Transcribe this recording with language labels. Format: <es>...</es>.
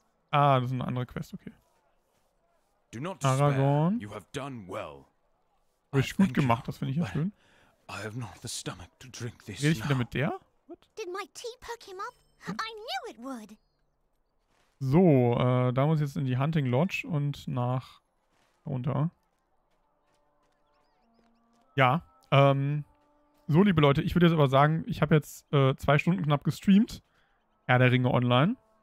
<de>Ah, das ist eine andere Quest, okay. Aragorn.</de> <en>You have done well.</en> <de>Habe ich gut gemacht, das finde ich ja schön.</de> <en>I have not the stomach to drink this.</en> <de>Rede ich wieder mit der?</de> <en>What? Did my tea perk him up? I knew it would.</en> <de>So, da muss ich jetzt in die Hunting Lodge und nach runter. Ja, so, liebe Leute, ich würde jetzt aber sagen, ich habe jetzt 2 Stunden knapp gestreamt. Herr der Ringe Online.</de>